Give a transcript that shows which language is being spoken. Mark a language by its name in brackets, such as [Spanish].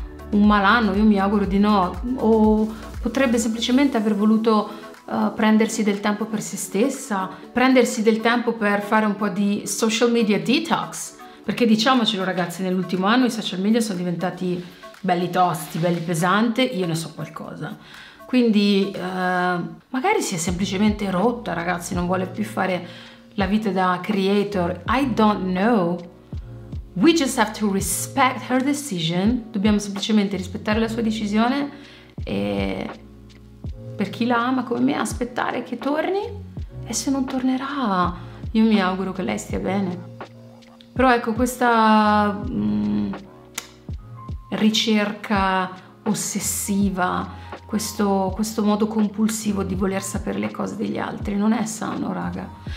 [Italian] un malanno, io mi auguro di no, o potrebbe semplicemente aver voluto prendersi del tempo per se stessa, prendersi del tempo per fare un po' di social media detox, perché diciamocelo ragazzi, nell'ultimo anno i social media sono diventati belli tosti, belli pesanti, io ne so qualcosa. Quindi magari si è semplicemente rotta, ragazzi, non vuole più fare la vita da creator. [English] I don't know. We just have to respect her decision. [Italian] Dobbiamo semplicemente rispettare la sua decisione e per chi la ama come me aspettare che torni. E se non tornerà, io mi auguro che lei stia bene. Però ecco, questa ricerca ossessiva, questo modo compulsivo di voler sapere le cose degli altri non è sano, raga.